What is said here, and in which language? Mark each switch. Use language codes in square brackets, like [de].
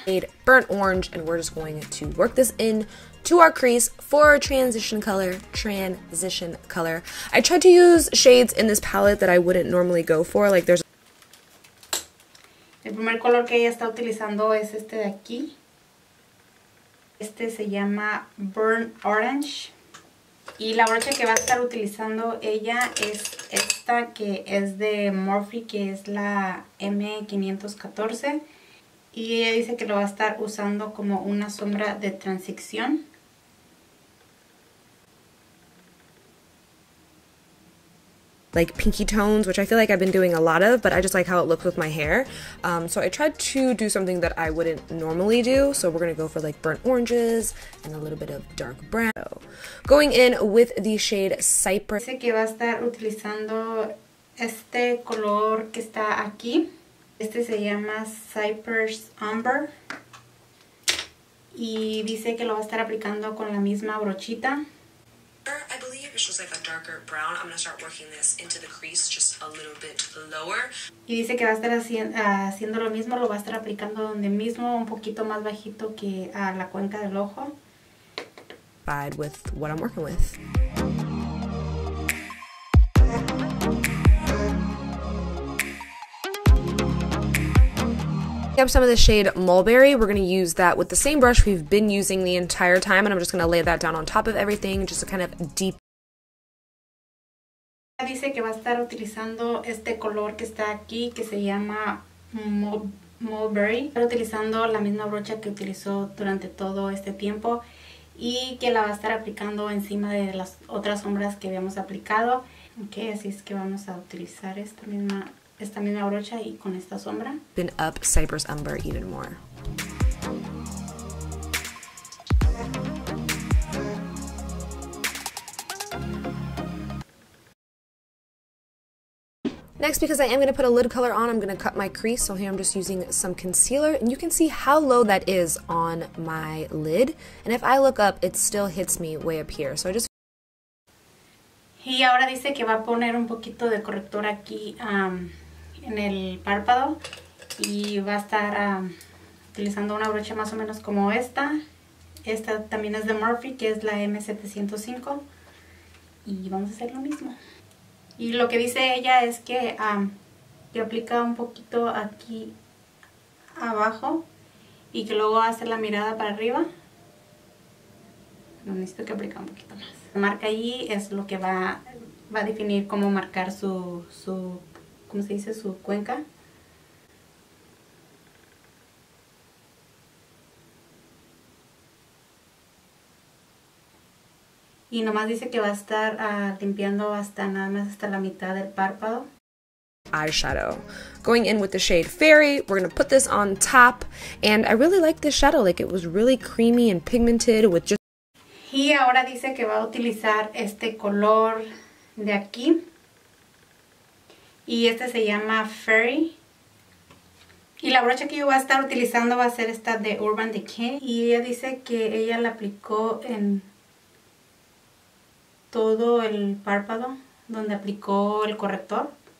[en] Made burnt orange, and we're just going to work this in to our crease for transition color. Transition color. I tried to use shades in this palette that I wouldn't normally go for. Like there's. [es] El primer color que ella está utilizando es este de aquí. Este se llama burnt orange. Y la brocha que va a estar utilizando ella es esta que es de Morphe, que es la M514. Y ella dice que lo va a estar usando como una sombra de transición. [en] like pinky tones, which I feel like I've been doing a lot of, but I just like how it looks with my hair. So I tried to do something that I wouldn't normally do. So we're gonna go for like burnt oranges and a little bit of dark brown. So going in with the shade Cypress. [es] Dice que va a estar utilizando este color que está aquí. Este se llama Cypress Umber. Y dice que lo va a estar aplicando con la misma brochita. [en] I believe it's just like a darker brown. I'm gonna start working this into the crease just a little bit lower. [es] Y dice que va a estar haciendo lo mismo, lo va a estar aplicando donde mismo, un poquito más bajito que a la cuenca del ojo. [en] Vibe with what I'm working with. Up some of the shade Mulberry. We're going to use that with the same brush we've been using the entire time, and I'm just going to lay that down on top of everything just to kind of deep. [es] Dice que va a estar utilizando este color que está aquí, que se llama Mulberry. Va a estar utilizando la misma brocha que utilizó durante todo este tiempo y que la va a estar aplicando encima de las otras sombras que habíamos aplicado. Okay, así es que vamos a utilizar esta misma brocha y con esta sombra. [en] Been up Cypress Umber even more. Next, because I am going to put a lid color on, I'm going to cut my crease. So here I'm just using some concealer, and you can see how low that is on my lid. And if I look up, it still hits me way up here. So I just. [es] Y ahora dice que va a poner un poquito de corrector aquí. En el párpado y va a estar utilizando una brocha más o menos como esta. Esta también es de Morphe, que es la M705, y vamos a hacer lo mismo. Y lo que dice ella es que aplica un poquito aquí abajo y que luego hace la mirada para arriba. No, necesito que aplique un poquito más. La marca ahí es lo que va a definir cómo marcar su ¿cómo se dice? Su cuenca. Y nomás dice que va a estar limpiando hasta nada más hasta la mitad del párpado. [en] Eyeshadow. Going in with the shade Fairy, we're going to put this on top. And I really like this shadow. Like, it was really creamy and pigmented with just... [es] Y ahora dice que va a utilizar este color de aquí. Y este se llama Fairy. Y la brocha que yo voy a estar utilizando va a ser esta de Urban Decay. Y ella dice que ella la aplicó en todo el párpado donde aplicó el corrector.